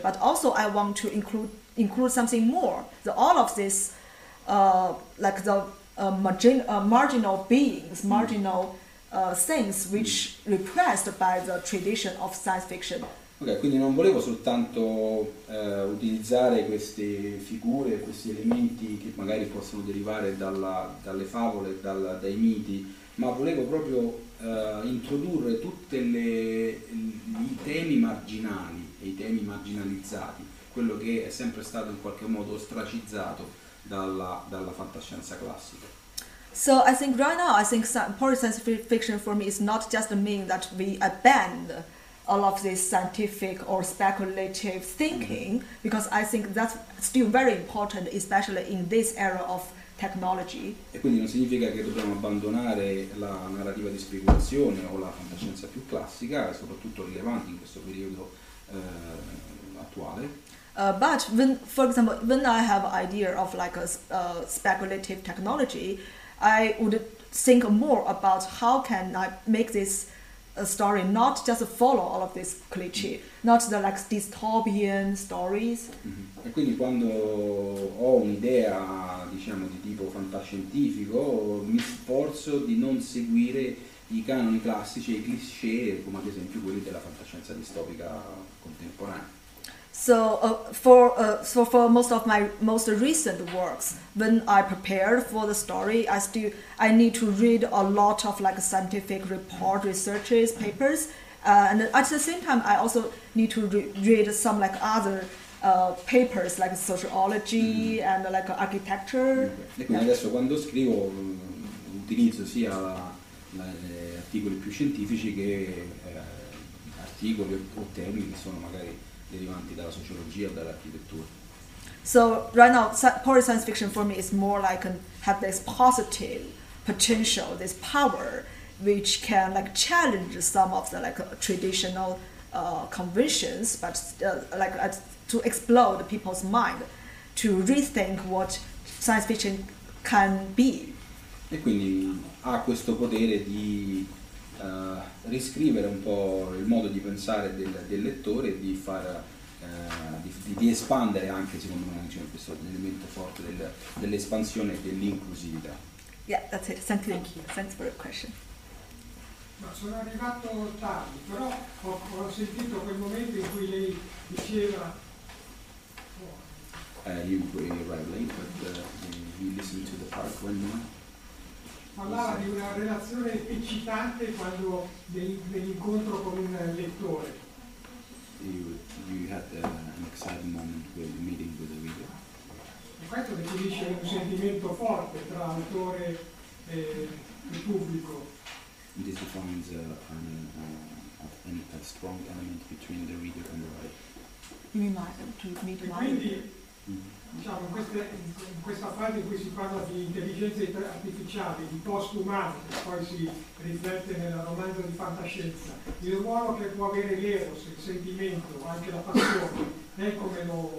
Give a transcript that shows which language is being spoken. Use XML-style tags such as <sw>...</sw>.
<en>But also, I want to include something more. Marginal beings, marginal things which repressed by the tradition of science fiction.</en> <it>Ok, quindi non volevo soltanto utilizzare queste figure, questi elementi che magari possono derivare dalle favole, dai miti, ma volevo proprio introdurre tutte i temi marginali e i temi marginalizzati, quello che è sempre stato in qualche modo ostracizzato dalla fantascienza classica.</it> <en>So I think right now, I think important science fiction for me is not just a mean that we abandon all of this scientific or speculative thinking, because I think that's still very important, especially in this era of technology.</en> <it>E quindi non significa che dobbiamo abbandonare la narrativa di speculazione o la fantascienza più classica, soprattutto rilevante in questo periodo attuale.</it> <en>But when, for example, when I have an idea of like a speculative technology, I would think more about how can I make this a story, not just follow all of this cliché, not the like dystopian stories. Mm-hmm.</en> <it>E quindi quando ho un'idea, diciamo, di tipo fantascientifico, mi sforzo di non seguire i canoni classici, i cliché, come ad esempio quelli della fantascienza distopica contemporanea.</it> <en>So for most recent works, when I prepared for the story, I need to read a lot of like scientific report, researches, papers, and at the same time I also need to read some like other papers like sociology and like architecture.</en> <it>E quindi adesso quando scrivo utilizzo sia gli articoli più scientifici che articoli o temi che sono magari derivanti dalla sociologia o dall'architettura.</it> <en>So right now, poor science fiction for me is more like have this positive potential, this power, which can like challenge some of the like traditional conventions, but to explode people's mind, to rethink what science fiction can be.</en> <it>E quindi ha questo potere di riscrivere un po' il modo di pensare del lettore e di far di espandere anche, secondo me, diciamo, questo elemento forte dell'espansione e dell'inclusività.</it> <en>Yeah, that's it. Thank you. Thanks for your question.</en> <it>Ma sono arrivato tardi, però ho sentito quel momento in cui lei diceva</it> <en>you listen to the part when you...</en> <it>Parlava di una relazione eccitante quando dell'incontro con un lettore.</it> <en>You had an exciting moment with meeting with a reader.</en> <it>E questo definisce un sentimento forte tra autore e pubblico.</it> <en>This defines a strong element between the reader and the writer. You mean like to meet my...</en> <it>Diciamo, in questa fase in cui si parla di intelligenze artificiali, di post-umano, che poi si riflette nel romanzo di fantascienza, il ruolo che può avere l'eros, il sentimento, anche la passione, è come lo...</it>